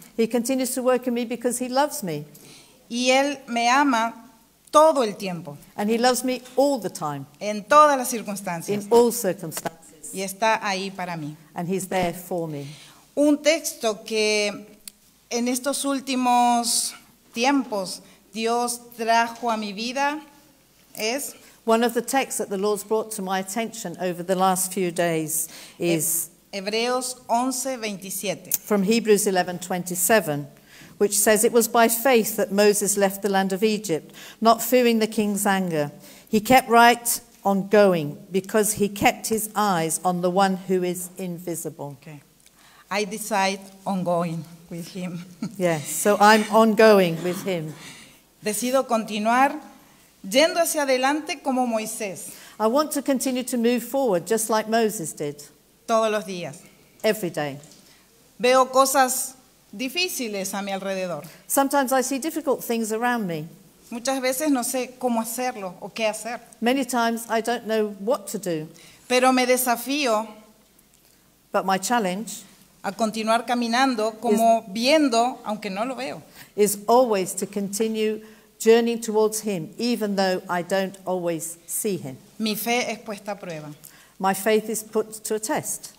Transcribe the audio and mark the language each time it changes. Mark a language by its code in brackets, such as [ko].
[en] He continues to work in me because he loves me. [es] Y él me ama todo el tiempo. [en] And he loves me all the time. [es] En todas las circunstancias. [en] In all circumstances. [es] Y está ahí para mí. [en] And he's there for me. [es] Un texto que en estos últimos tiempos Dios trajo a mi vida es... [en] One of the texts that the Lord's brought to my attention over the last few days is... [es] Hebreos 11:27. [en] From Hebrews 11:27, which says, "It was by faith that Moses left the land of Egypt, not fearing the king's anger. He kept right on going because he kept his eyes on the one who is invisible." Okay. I decide on going with him. Yes, so I'm ongoing with him. [es] Decido continuar yendo hacia adelante como Moisés. [en] I want to continue to move forward just like Moses did. [es] Todos los días. [en] Every day. [es] Veo cosas difíciles a mi alrededor. [en] Sometimes I see difficult things around me. [es] Muchas veces no sé cómo hacerlo o qué hacer. [en] Many times I don't know what to do. [es] Pero me desafío. [en] But my challenge. [es] A continuar caminando como viendo, aunque no lo veo. [en] Is always to continue journeying towards him, even though I don't always see him. [es] Mi fe es puesta a prueba. [en] My faith is put to a test.